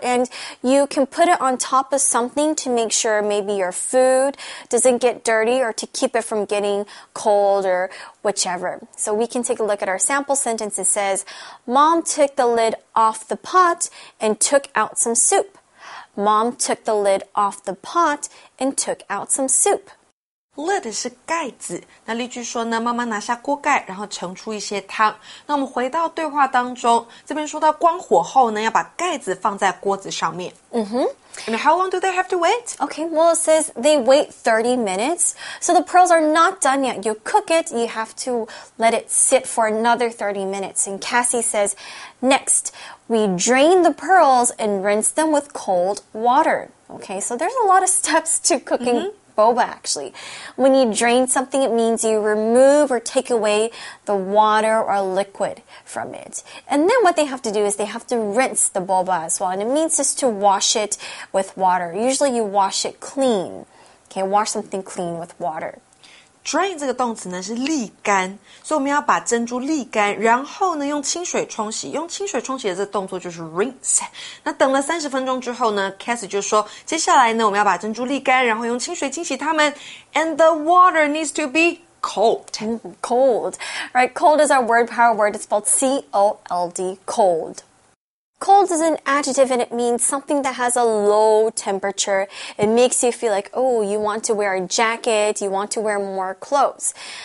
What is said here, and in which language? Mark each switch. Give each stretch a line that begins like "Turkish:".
English: And you can put it on top of something to make sure maybe your food doesn't get dirty or to keep it from getting cold or whichever. So we can take a look at our sample sentence. It says, Mom took the lid off the pot and took out some soup. Mom took the lid off the pot and took out some soup.
Chinese: Lid 是盖子，那例句说呢，妈妈拿下锅盖，然后盛出一些汤。那我们回到对话当中，这边说到关火后呢，要把盖子放在锅子上面。
English: And how long do they have to wait? Okay, well, it says they wait 30 minutes. So the pearls are not done yet. You cook it, you have to let it sit for another 30 minutes. And Cassie says, next, we drain the pearls and rinse them with cold water. Okay, so there's a lot of steps to cooking. Boba, actually. When you drain something, it means you remove or take away the water or liquid from it. And then what they have to do is they have to rinse the boba as well. And it means just to wash it with water. Usually you wash it clean. Okay, wash something clean with water.
Chinese: Drain 这个动词呢是沥干，所以我们要把珍珠沥干，然后呢用清水冲洗，用清水冲洗的这个动作就是 rinse。那等了30分钟之后呢， Cassie 就说接下来呢我们要把珍珠沥干，然后用清水清洗它们。
English: And the water needs to be cold. Cold, right? Cold is our word power word. It's spelled C-O-L-D, cold. Cold is an adjective and it means something that has a low temperature. It makes you feel like, oh, you want to wear a jacket, you want to wear more clothes.